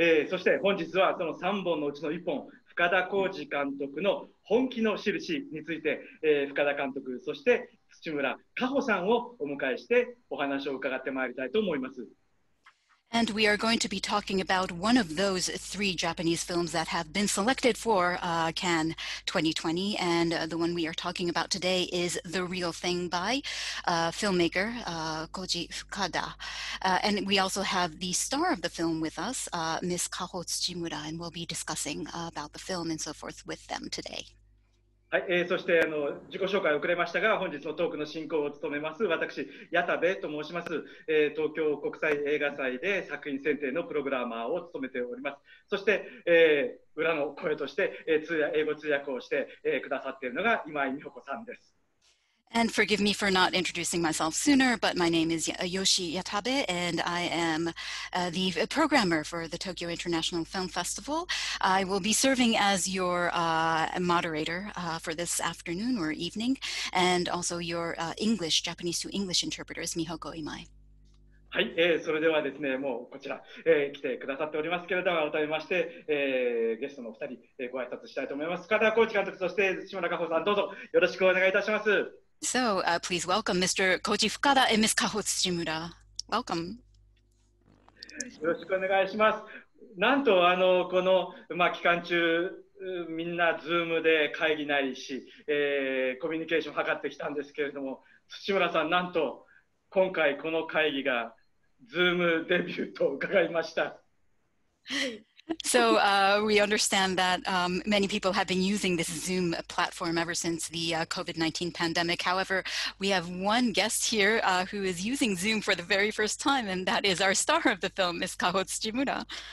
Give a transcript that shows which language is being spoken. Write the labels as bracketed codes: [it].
[ja] そして本日はその3本のうちの1本、深田晃司監督の本気の印について、深田監督、そして土村佳穂さんをお迎えしてお話を伺ってまいりたいと思います。 [en] And we are going to be talking about one of those three Japanese films that have been selected for Cannes 2020. And the one we are talking about today is The Real Thing by filmmaker Koji Fukada. And we also have the star of the film with us, Ms. Kaho Tsuchimura, and we'll be discussing about the film and so forth with them today. [ja] はい、そして自己紹介遅れましたが、本日のトークの進行を務めます私、矢田部と申します。東京国際映画祭で作品選定のプログラマーを務めております。そして、裏の声として、英語通訳をして、くださっているのが今井美穂子さんです。 [en] And forgive me for not introducing myself sooner, but my name is Yoshi Yatabe, and I am the programmer for the Tokyo International Film Festival. I will be serving as your moderator for this afternoon or evening, and also your English, Japanese to English interpreter is Mihoko Imai. [ja] はい、それではですね、もうこちら、来てくださっておりますけれども、改めまして、ゲストのお二人、ご挨拶したいと思います。深田晃司監督、そして島田佳穂さん、どうぞよろしくお願いいたします。 [en] So, please welcome Mr. Koji Fukada and Ms. Kaho Tsuchimura. Welcome. [ja] よろしくお願いします。なんと、この、まあ、期間中、みんな Zoom で会議なりし、コミュニケーションを図ってきたんですけれども、Tsuchimuraさん、なんと、今回この会議が Zoom デビューと伺いました。 [en] So we understand that many people have been using this Zoom platform ever since the COVID-19 pandemic. However, we have one guest here who is using Zoom for the very first time, and that is our star of the film, Ms. Kaho Tsuchimura.